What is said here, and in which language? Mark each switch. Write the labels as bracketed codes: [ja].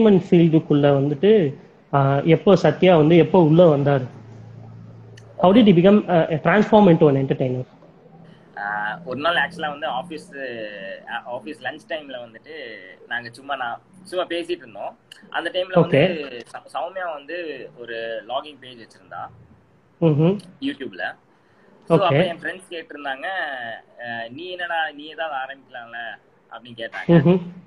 [ta] Management எப்போ சத்யா வந்து எப்போ உள்ள வந்தாரு? [en] How did he become transform into an entertainer? [ta] ஒரு நாள் ஆக்சுவலா வந்து ஆபீஸ் ஆபீஸ் லஞ்ச் டைம்ல வந்துட்டு நாங்க சும்மா பேசிட்டு இருந்தோம். அந்த டைம்ல வந்து சௌமியா வந்து ஒரு லாகிங் பேஜ் வச்சிருந்தா யூடியூப்ல. அப்ப என் ஃப்ரெண்ட்ஸ் கேட்டு இருந்தாங்க, நீ என்னடா நீ ஏதாவது ஆரம்பிக்கலாம்ல அப்படின்னு கேட்டாங்க.